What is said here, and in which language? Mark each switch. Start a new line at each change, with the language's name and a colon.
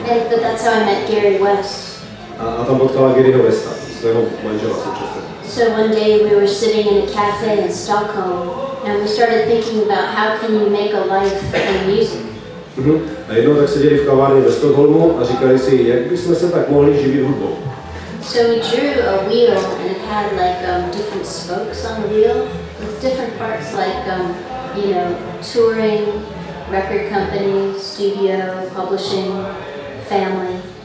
English: But that's how I met Gary West.
Czech: A tam potkala Garyho Westa, svého manžela současného.
English: So one day we were sitting in a cafe in Stockholm, and we started thinking about how can you make a life in music.
Czech: A jednou tak seděli v kavárně ve Stockholmu a říkali si, jak bychom se tak mohli živit hudbou.
English: So we drew a wheel and it had like different spokes on the wheel with different parts like you know, touring, record company, studio, publishing, family.